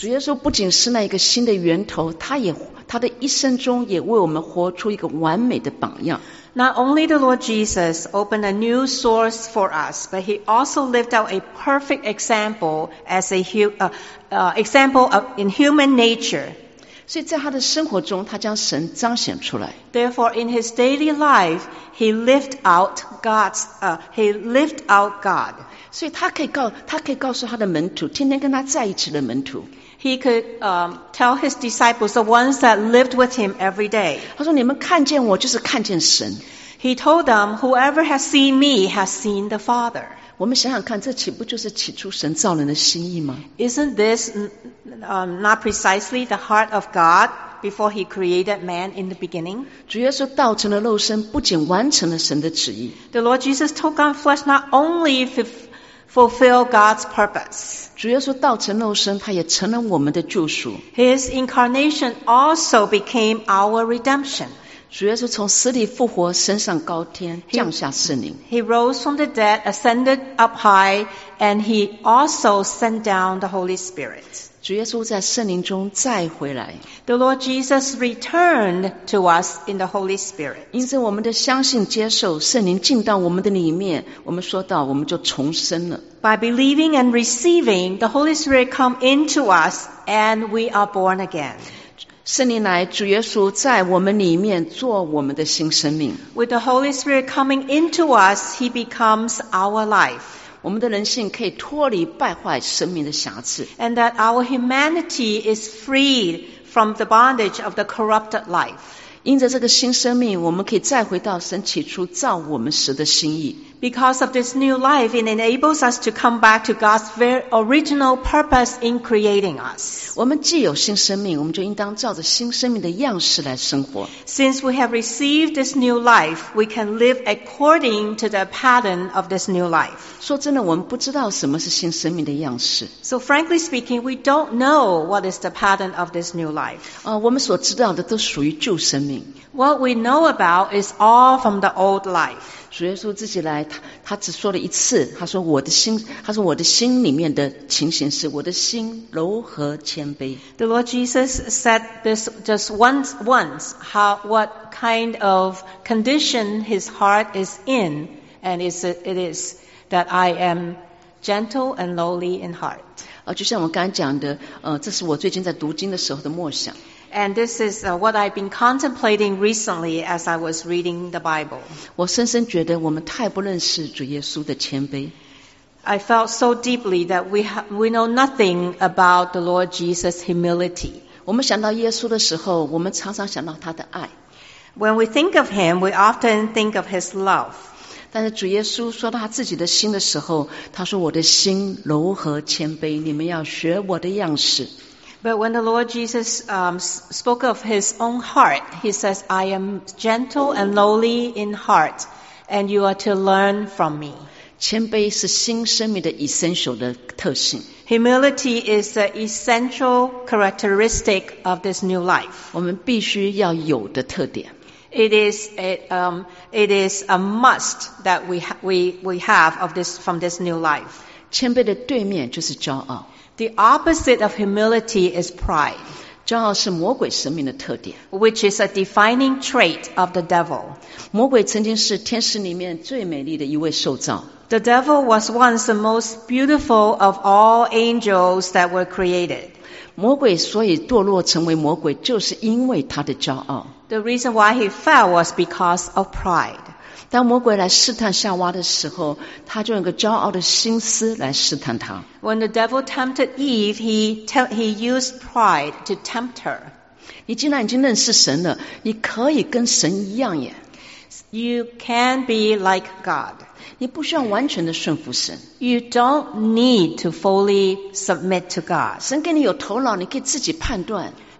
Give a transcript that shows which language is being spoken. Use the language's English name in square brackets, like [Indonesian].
[Chinese] 主耶稣不仅是那一个新的源头，他的一生中也为我们活出一个完美的榜样。 [English] Not only the Lord Jesus opened a new source for us, but he also lived out a perfect example as a example of in human nature. [Chinese] 所以在他的生活中，他将神彰显出来。 [English] Therefore, in his daily life, he lived out God's, he lived out God. [Chinese] 所以他可以告诉他的门徒，天天跟他在一起的门徒。 [English] He could tell his disciples, the ones that lived with him every day. [Chinese] 他说，你们看见我就是看见神。 [English] He told them, whoever has seen me has seen the Father. [Chinese] 我们想想看，这岂不就是起初神造人的心意吗？ [English] Isn't this not precisely the heart of God before he created man in the beginning? [Chinese] 主耶稣道成了肉身，不仅完成了神的旨意。 [English] The Lord Jesus took on flesh not only fulfill God's purpose. [Chinese] 主耶稣道成肉身，他也成了我们的救赎。 [English] His incarnation also became our redemption. [Chinese] 主耶稣从死里复活，升上高天，降下圣灵。 [English] He rose from the dead, ascended up high, and he also sent down the Holy Spirit. [Chinese] 主耶稣在圣灵中再回来。 [English] The Lord Jesus returned to us in the Holy Spirit. [Chinese] 因着我们的相信接受，圣灵进到我们的里面，我们说到我们就重生了。 [English] By believing and receiving, the Holy Spirit come into us, and we are born again. [Chinese] 圣灵来，主耶稣在我们里面做我们的新生命。 [English] With the Holy Spirit coming into us, He becomes our life. [Chinese] 我们的人性可以脱离败坏生命的瑕疵。 [English] And that our humanity is freed from the bondage of the corrupted life. [Chinese] 因着这个新生命，我们可以再回到神起初造我们时的心意。 [English] Because of this new life, it enables us to come back to God's very original purpose in creating us. [Chinese] 我们既有新生命，我们就应当照着新生命的样式来生活。 [English] Since we have received this new life, we can live according to the pattern of this new life. [Chinese] 说真的，我们不知道什么是新生命的样式。 [English] So frankly speaking, we don't know what is the pattern of this new life. [Chinese] 我们所知道的都属于旧生命。 [English] What we know about is all from the old life. [Chinese] 主耶稣自己来，他只说了一次，他说我的心，他说我的心里面的情形是我的心柔和谦卑。 [English] The Lord Jesus said this just once. What kind of condition his heart is in, and it is that I am gentle and lowly in heart. [Chinese] 就像我刚刚讲的，这是我最近在读经的时候的默想。 [English] And this is what I've been contemplating recently as I was reading the Bible. [Chinese] 我深深觉得我们太不认识主耶稣的谦卑。 [English] I felt so deeply that we know nothing about the Lord Jesus' humility. [Chinese] 我们想到耶稣的时候，我们常常想到他的爱。 [English] When we think of him, we often think of his love. [Chinese] 但是主耶稣说到他自己的心的时候，他说我的心柔和谦卑，你们要学我的样式。 [English] But when the Lord Jesus spoke of his own heart, he says, I am gentle and lowly in heart, and you are to learn from me. [Chinese] 谦卑是新生命的 essential 的特性。 [English] Humility is the essential characteristic of this new life. [Chinese] 我们必须要有的特点。 [English] It is a must that we have of this, from this new life. [Chinese] 谦卑的对面就是骄傲。 [English] The opposite of humility is pride. [Chinese] 骄傲是魔鬼生命的特点。 [English] Which is a defining trait of the devil. [Chinese] 魔鬼曾经是天使里面最美丽的一位受造。 [English] The devil was once the most beautiful of all angels that were created. [Chinese] 魔鬼所以堕落成为魔鬼，就是因为他的骄傲。 [English] The reason why he fell was because of pride. [Chinese] 当魔鬼来试探夏娃的时候，他就用个骄傲的心思来试探他。 [English] When the devil tempted Eve, he used pride to tempt her. [Chinese] 你既然已经认识神了，你可以跟神一样耶。 [English] You can be like God. [Chinese] 你不需要完全的顺服神。 [English] You don't need to fully submit to God. [Chinese] 神给你有头脑，你可以自己判断。